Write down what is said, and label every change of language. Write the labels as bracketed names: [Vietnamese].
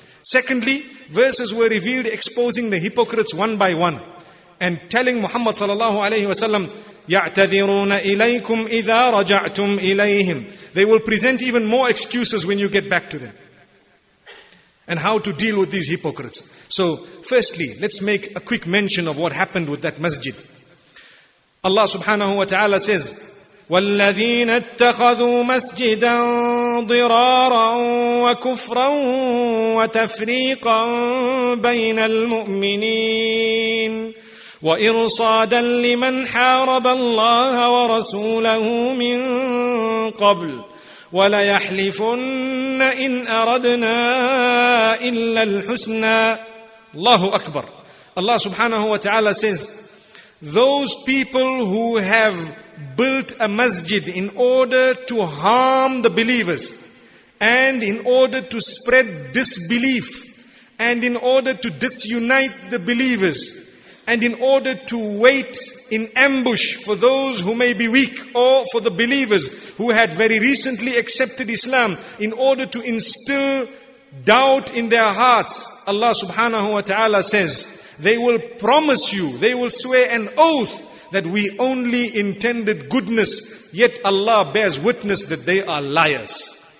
[English] Secondly, verses were revealed exposing the hypocrites one by one and telling Muhammad sallallahu alayhi wa sallam, [Arabic] يَعْتَذِرُونَ إِلَيْكُمْ إِذَا رَجَعْتُمْ إِلَيْهِمْ. [English] They will present even more excuses when you get back to them. And how to deal with these hypocrites. So firstly, let's make a quick mention of what happened with that masjid. Allah subhanahu wa ta'ala says, [Arabic] والذين اتخذوا مسجدا ضرارا وكفرا وتفريقا بين المؤمنين وإرصادا لمن حارب الله ورسوله من قبل وليحلفن إن أردنا إلا الحسنى الله أكبر. الله سبحانه وتعالى [English] says, those people who have built a masjid in order to harm the believers and in order to spread disbelief and in order to disunite the believers and in order to wait in ambush for those who may be weak or for the believers who had very recently accepted Islam in order to instill doubt in their hearts, Allah subhanahu wa ta'ala says, they will promise you, they will swear an oath that we only intended goodness, yet Allah bears witness that they are liars.